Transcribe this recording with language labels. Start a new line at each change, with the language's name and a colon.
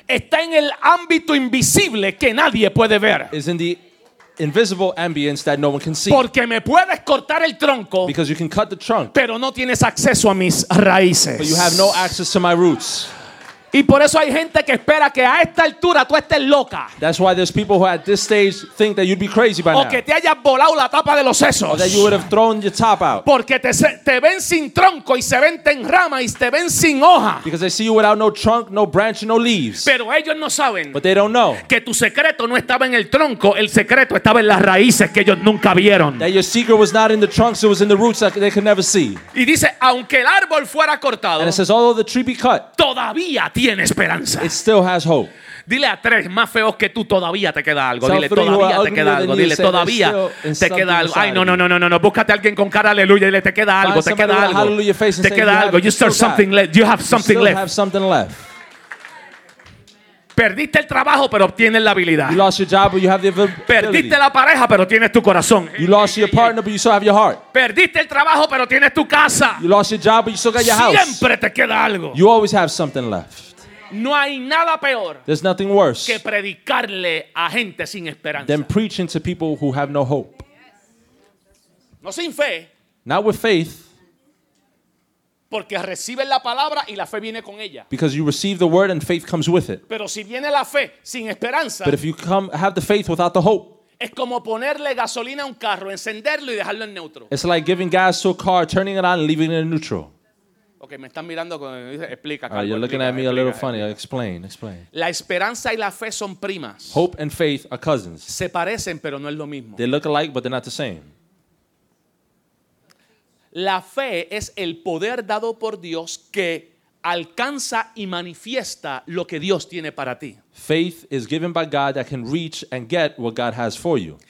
Spanish: está en el ámbito invisible que nadie puede ver.
English: Is in the invisible ambience that no one can see.
Spanish: Porque me puedes cortar el tronco,
English: because you can cut the trunk.
Spanish: Pero no tienes acceso a mis raíces.
English: But you have no access to my roots.
Spanish: Y por eso hay gente que espera que a esta altura tú estés loca.
English: That's why there's people who at this stage think that you'd be crazy by
Spanish: o
English: now.
Spanish: O que te hayas volado la tapa de los sesos.
English: Or that you would have thrown your top out.
Spanish: Porque te ven sin tronco y se ven en rama y te ven sin hoja.
English: Because they see you without no trunk, no branch, no leaves.
Spanish: Pero ellos no saben.
English: But they don't know.
Spanish: Que tu secreto no estaba en el tronco, el secreto estaba en las raíces que ellos nunca vieron.
English: That your secret was not in the trunks, it was in the roots that they could never see.
Spanish: Y dice, aunque el árbol fuera cortado.
English: And it says, although the tree be cut.
Spanish: Todavía tiene esperanza.
English: It still has hope.
Spanish: Dile a tres más feos que tú todavía te queda algo. Dile todavía te queda algo. Dile todavía te queda algo. Ay, no. Búscate a alguien con cara aleluya. Dile te queda algo. Te queda algo. Te queda algo.
English: You still have something left.
Spanish: You have something left.
English: You still have something left.
Spanish: Perdiste el trabajo, pero obtienes la habilidad.
English: You lost your job, but you have the ability.
Spanish: Perdiste la pareja, pero tienes tu corazón.
English: You lost your partner, but you still have your heart.
Spanish: Perdiste el trabajo, pero tienes tu casa.
English: You lost your job, but you still got your house.
Spanish: Siempre te queda algo.
English: You always have something left.
Spanish: No hay nada peor.
English: There's nothing worse.
Spanish: Que predicarle a gente sin esperanza.
English: Than preaching to people who have no hope.
Spanish: No sin fe.
English: Not with faith.
Spanish: Porque reciben la palabra y la fe viene con ella.
English: Because you receive the word and faith comes with it.
Spanish: Pero si viene la fe sin esperanza.
English: But if you come have the faith without the hope.
Spanish: Es como ponerle gasolina a un carro, encenderlo y dejarlo en neutro.
English: It's like giving gas to a car, turning it on and leaving it in neutral.
Spanish: Okay, me están mirando cuando me dice, explica.
English: Right, you're looking
Spanish: explica,
English: at me a little funny. Explain.
Spanish: La esperanza y la fe son primas.
English: Hope and faith are cousins.
Spanish: Se parecen, pero no es lo mismo.
English: They look alike, but they're not the same.
Spanish: La fe es el poder dado por Dios que alcanza y manifiesta lo que Dios tiene para ti.
English: Faith is given by God that can reach and get what God has for you.